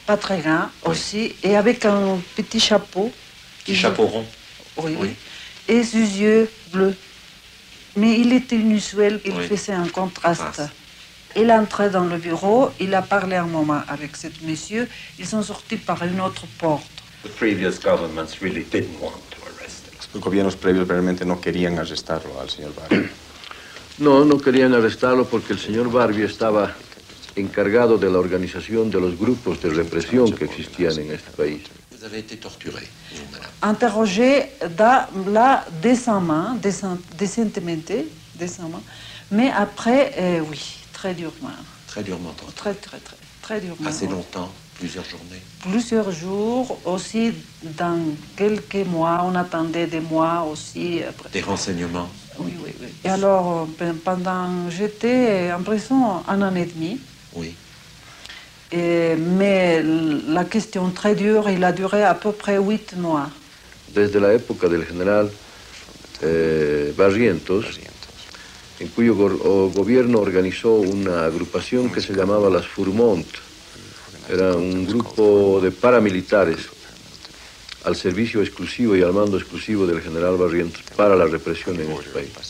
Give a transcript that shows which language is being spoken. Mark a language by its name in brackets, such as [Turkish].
[French] Pas très grand, oui. Aussi. Et avec un petit chapeau. Petit chapeau rond. Oui. Oui. Et ses yeux bleus. Mais il était inusuel, il oui. faisait un contraste. Il entrait dans le bureau, il a parlé un moment avec ce monsieur, ils sont sortis par une autre porte. [English] The previous governments really didn't want to arrest him. [Spanish] Los gobiernos previos realmente no querían arrestarlo al señor Barbie. No, no querían arrestarlo porque el señor Barbie estaba encargado de la organización de los grupos de represión que existían en este país. [French] Vous avez été torturé, madame. Interrogé là décemment, décentemente, décemment, mais après, oui, très durement. Très durement, toi. Très, très, très, très durement. Assez longtemps, plusieurs journées. Plusieurs jours, aussi dans quelques mois, on attendait des mois aussi. Après. Des renseignements. Oui, oui, oui. Et alors, pendant, j'étais en prison un an et demi. Oui. Et, mais la question très dure, il a duré à peu près 8 mois. [Spanish] Desde la época del general Barrientos, en cuyo gobierno organizó una agrupación que se llamaba las Furmont. Era un grupo de paramilitares al servicio exclusivo y al mando exclusivo del general Barrientos para la represión en este país.